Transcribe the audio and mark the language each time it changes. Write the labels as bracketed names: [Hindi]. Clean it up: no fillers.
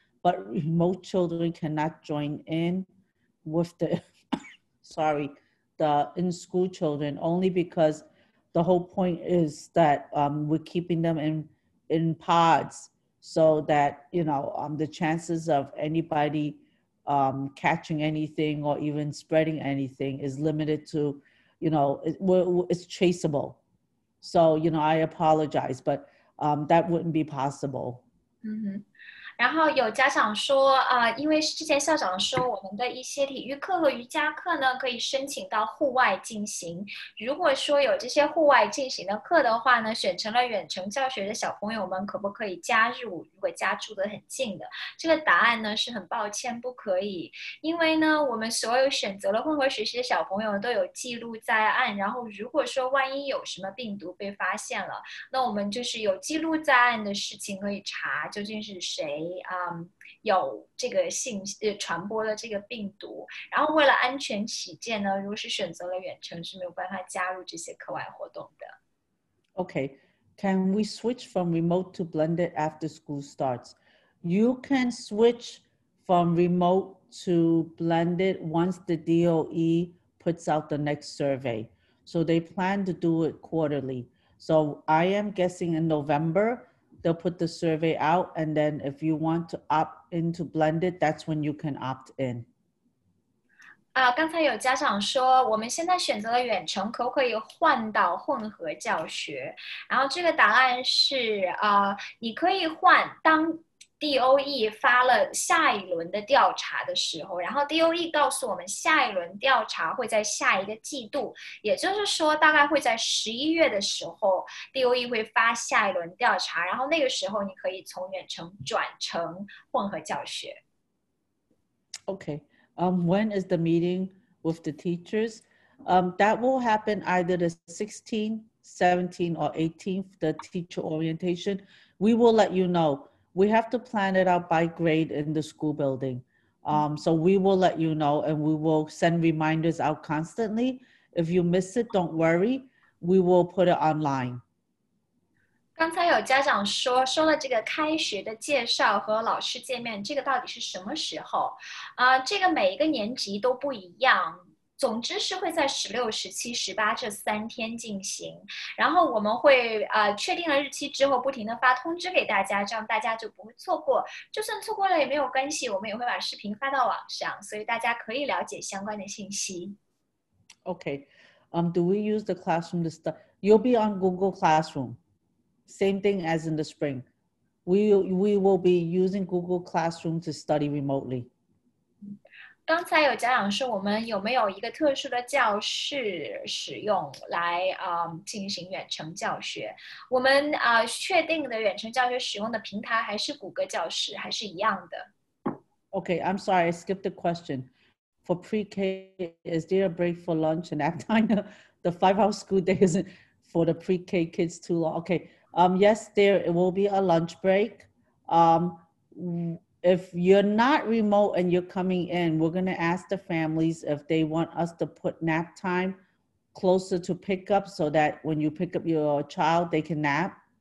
[English] But remote children cannot join in with the, the in-school children, only because the whole point is that we're keeping them in pods so that, you know, the chances of anybody catching anything or even spreading anything is limited to, you know, it's traceable. So, you know, I apologize, but that wouldn't be possible. Mm-hmm. [Chinese] 然后有家长说，因为之前校长说我们的一些体育课和瑜伽课呢，可以申请到户外进行。如果说有这些户外进行的课的话呢，选成了远程教学的小朋友们可不可以加入？如果家住得很近的，这个答案呢是很抱歉，不可以。因为呢，我们所有选择了混合学习的小朋友都有记录在案，然后如果说万一有什么病毒被发现了，那我们就是有记录在案的事情可以查究竟是谁。有这个信息传播的这个病毒，然后为了安全起见呢，如果是选择了远程是没有办法加入这些课外活动的。 [English] Okay, can we switch from remote to blended after school starts? You can switch from remote to blended once the DOE puts out the next survey. So they plan to do it quarterly. So I am guessing in November,they'll put the survey out, and then if you want to opt into blended, that's when you can opt in. [Chinese] 刚才有家长说，我们现在选择了远程，可不可以换到混合教学？然后这个答案是，你可以换当DOE 发了下一轮的调查的时候，然后 DOE 告诉我们下一轮调查会在下一个季度，也就是说大概会在11月的时候 DOE 会发下一轮调查，然后那个时候你可以从远程转成混合教学。 [English] Okay, when is the meeting with the teachers? That will happen either the 16th, 17th or 18th, the teacher orientation. We will let you know. We have to plan it out by grade in the school building. So we will let you know and we will send reminders out constantly. If you miss it, don't worry. We will put it online. [Chinese] 刚才有家长说，说了这个开学的介绍和老师见面，这个到底是什么时候？这个每一个年级都不一样。总之是会在16、17、18这三天进行，然后我们会确定了日期之后不停的发通知给大家，这样大家就不会错过，就算错过了也没有关系，我们也会把视频发到网上，所以大家可以了解相关的信息。 [English] Okay, do we use the classroom to start? You'll be on Google Classroom, same thing as in the spring. We will be using Google Classroom to study remotely. [Chinese] 刚才有家长说，我们有没有一个特殊的教室使用来进行远程教学？我们确定的远程教学使用的平台还是谷歌教室，还是一样的。 [English] Okay, I'm sorry, I skipped the question. For pre-K, is there a break for lunch and nap time? The five-hour school day isn't for the pre-K kids too long. Okay, yes, there it will be a lunch break. If you're not remote and you're coming in, we're going to ask the families if they want us to put nap time closer to pick up so that when you pick up your child, they can nap.